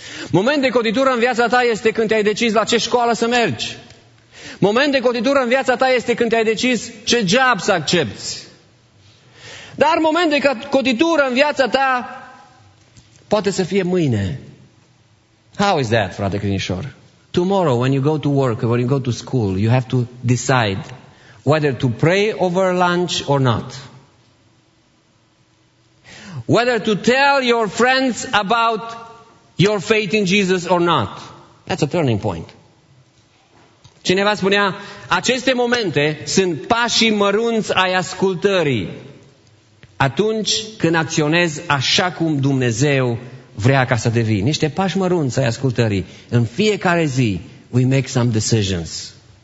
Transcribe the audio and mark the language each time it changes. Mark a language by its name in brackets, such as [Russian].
[Romanian] Moment de cotitură în viața ta este când te-ai decis la ce școală să mergi. Moment de cotitură în viața ta este când te-ai decis ce job să accepți. Dar moment de cotitură în viața ta poate să fie mâine. [English] How is that, frate Crinișor? Tomorrow, when you go to work, when you go to school, you have to decide whether to pray over lunch or not. Whether to tell your friends about your faith in Jesus or not. That's a turning point. [Romanian] Cineva spunea, aceste momente sunt pașii mărunți ai ascultării. Atunci când acționezi așa cum Dumnezeu vrea ca să devii. Niște pași mărunți ai ascultării. În fiecare zi, [English] we make some decisions.